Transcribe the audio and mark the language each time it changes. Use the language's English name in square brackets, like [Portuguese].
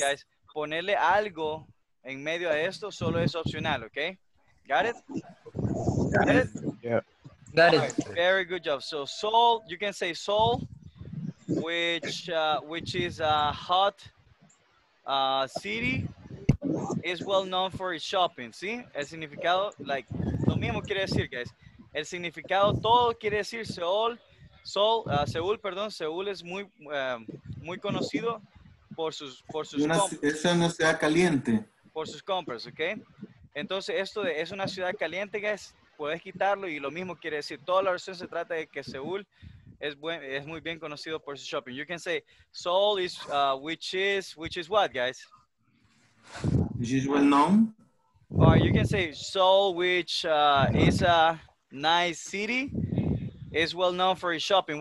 [Spanish] Guys, ponerle algo en medio a esto solo es opcional, okay? [English] Got it? Got it? Yeah. Got it. Very good job. So, Seoul, you can say Seoul, which is a hot city, is well known for its shopping, [Spanish] ¿sí? El significado, like, lo mismo quiere decir, guys. El significado todo quiere decir Seoul. Seúl es muy muy conocido por sus compras. Es una ciudad caliente. Por sus compras, ¿ok? Entonces, esto de es una ciudad caliente, guys, puedes quitarlo y lo mismo quiere decir. Toda la oración se trata de que Seúl es muy bien conocido por su shopping. [English] You can say, Seoul is, which is what, guys? Which is well known. Or you can say, Seoul, which is a nice city, is well known for his shopping.